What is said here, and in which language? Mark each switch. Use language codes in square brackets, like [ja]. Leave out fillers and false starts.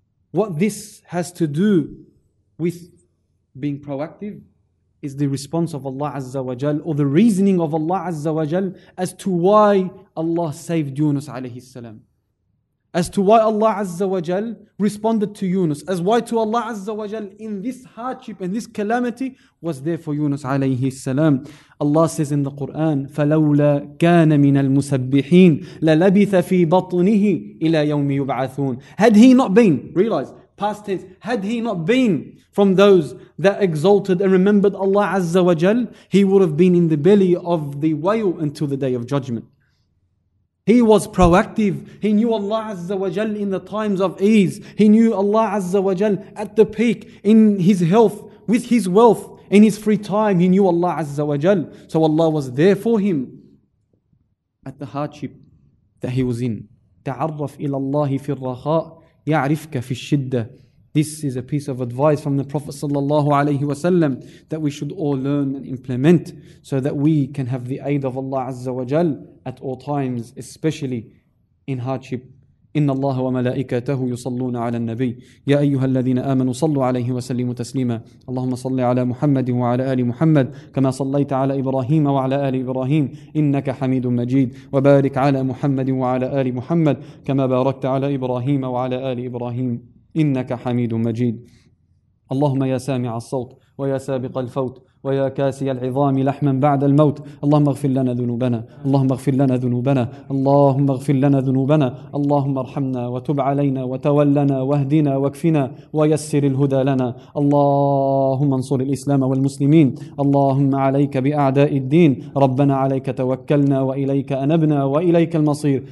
[en] What this has to do with being proactive is the response of Allah Azza wa Jal, or the reasoning of Allah Azza wa Jal as to why Allah saved Yunus alayhi salam. As to why Allah Azza wa Jal responded to Yunus, as why to Allah Azza wa Jal in this hardship and this calamity was there for Yunus alayhi salam. Allah says in the Quran, [ar] فَلَوْلَا كَانَ مِنَ الْمُسَبِّحِينَ لَلَبِثَ فِي بَطْنِهِ إِلَى يَوْمِ يُبْعَثُونَ. [en] Had he not been, realize, past tense, had he not been from those that exalted and remembered Allah Azza wa Jal, he would have been in the belly of the whale until the day of judgment. He was proactive. He knew Allah Azza wa Jal in the times of ease. He knew Allah Azza wa Jal at the peak, in his health, with his wealth, in his free time. He knew Allah Azza wa Jal. So Allah was there for him at the hardship that he was in. تعرف إلى الله في الرخاء يعرفك في الشدة. This is a piece of advice from the Prophet sallallahu alaihi wasallam that we should all learn and implement so that we can have the aid of Allah Azza wa Jal at all times, especially in hardship. [ar] Inna Allah wa malaikatahu yusalluna ala nabi. Ya ayyuhal ladhina amanu sallu alayhi wa sallimu taslima. Allahumma salli ala Muhammadin wa ala ali Muhammad kama sallaita ala Ibrahim wa ala ali Ibrahim innaka hamidun majid. Wabarik ala Muhammadin wa ala ali Muhammad kama barakta ala Ibrahim wa ala ali Ibrahim innaka hamidun majid. Allahumma ya sami' as-sawt wa ya sabiq al-fawt ويا كاسي العظام لحما بعد الموت. اللهم اغفر لنا ذنوبنا, اللهم اغفر لنا ذنوبنا, اللهم اغفر لنا ذنوبنا, اللهم ارحمنا وتب علينا وتولنا واهدنا واكفنا ويسر الهدى لنا. اللهم انصر الإسلام والمسلمين. اللهم عليك بأعداء الدين. ربنا عليك توكلنا وإليك أنبنا وإليك المصير.